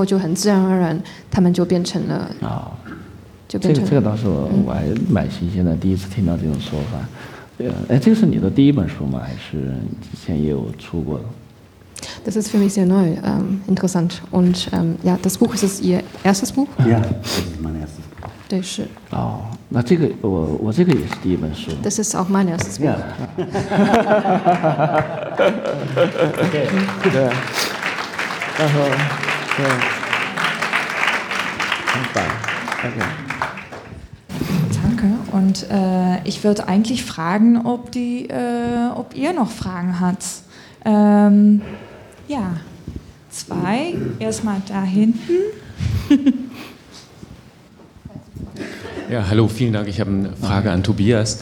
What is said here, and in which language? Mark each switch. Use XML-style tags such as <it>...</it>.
<zh>这个用词对我来说非常的自然，因为其实我一直都是这么样称呼他们的，我的材料或者我的拍摄的内容，所以经常有人问我，就是你的那些内容，你的材料在哪里？我就说啊，就这样。然后包括我去，我在我去巴黎有一次展出的时候，我的经纪代理公司他们也就问我说，哎，你的材料你的内容带来了没有？所以到最后就很自然而然，他们就变成了。这个倒是我还蛮新鲜的，第一次听到这种说法。这个是你的第一本书吗？还是之前也有出过的？</zh> <en>This is for me</en> <de>sehr neu, interessant. Und ja, das Buch ist Ihr erstes Buch? Ja, das ist mein erstes Buch.</de> <zh>对，是。那这个我这个也是第一本书。</zh> <en>This is</en> <de>auch mein erstes Buch. Ja.</de> <zh>Okay. 对。然后，对。很棒。Okay.</zh> <de>Und ich würde eigentlich fragen, ob die, ob ihr noch Fragen habt. Ja, 2, erstmal da hinten. Ja, hallo, vielen Dank. Ich habe eine Frage an Tobias.</de>